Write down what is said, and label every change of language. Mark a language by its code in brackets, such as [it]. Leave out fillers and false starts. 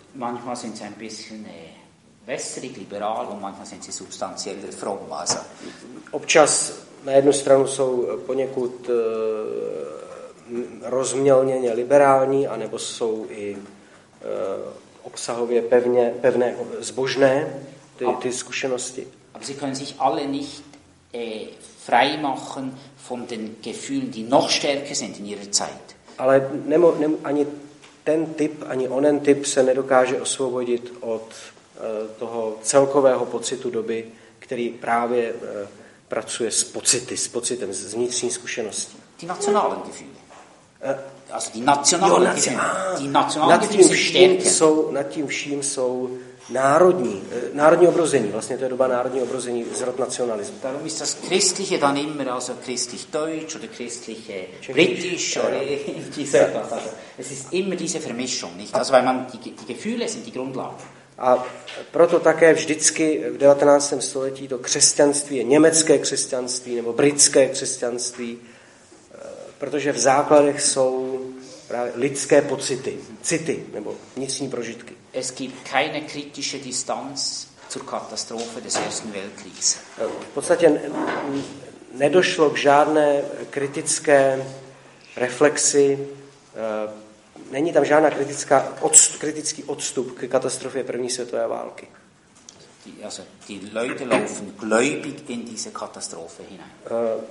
[de] Manchmal sind sie ein bisschen wässrig liberal und manchmal sind sie substanziell fromm. Also. [cs] Občas na jednu stranu jsou poněkud rozmělněně liberální, anebo jsou i obsahově pevné zbožné ty zkušenosti. [de] Aber sie können sich alle nicht freimachen von den Gefühlen, die noch stärker sind in ihrer Zeit. [cs] Ale ani ten typ, ani onen typ se nedokáže osvobodit od toho celkového pocitu doby, který právě pracuje s pocity, s pocitem, s vnitřní zkušeností. Ty nacionální [de] gefühle. Also die nationalen Gefühle. Die nationalen Gefühle sind stärker. [cs] Jsou, nad tím vším jsou národní, národní obrození, vlastně to je doba národní obrození, zrod nacionalismu. [de] Darum ist das Christliche dann immer also christlich deutsch oder christliche britisch oder diese etwas. Es ist immer diese Vermischung, nicht? Also weil man die Gefühle sind die Grundlage. [cs] A proto také vždycky v 19. století to křesťanství je německé křesťanství nebo britské křesťanství, protože v základech jsou právě lidské pocity, city nebo vnitřní prožitky. [de] Es gibt keine kritische Distanz zur Katastrophe des Ersten Weltkriegs. [cs] V podstatě nedošlo k žádné kritické reflexi. Není tam žádná kritická kritický odstup k katastrofě první světové války. [de] Die Leute laufen gläubig in diese Katastrophe hinein.